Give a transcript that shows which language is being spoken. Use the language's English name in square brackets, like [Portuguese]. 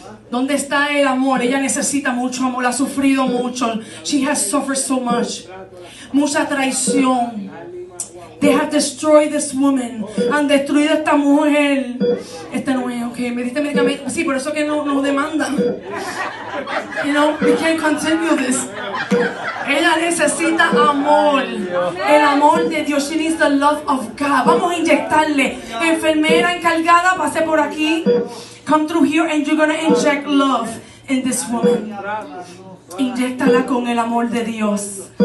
[Spanish] ¿Dónde está el amor? Ella necesita mucho amor. Ha sufrido mucho. [English] She has suffered so much. [Spanish] Mucha traición. [English] They have destroyed this woman. [Spanish] Han destruido a esta mujer. Esta no es, okay. Me diste medicamento. Sí, por eso que no demandan. [English] You know, we can't continue this. [Spanish] Ella necesita amor. El amor de Dios. [English] She needs the love of God. [Spanish] Vamos a inyectarle. Enfermera encargada, pase por aquí. [English] Come through here and you're gonna inject love in this woman. [Spanish] Inyectala con el amor de Dios.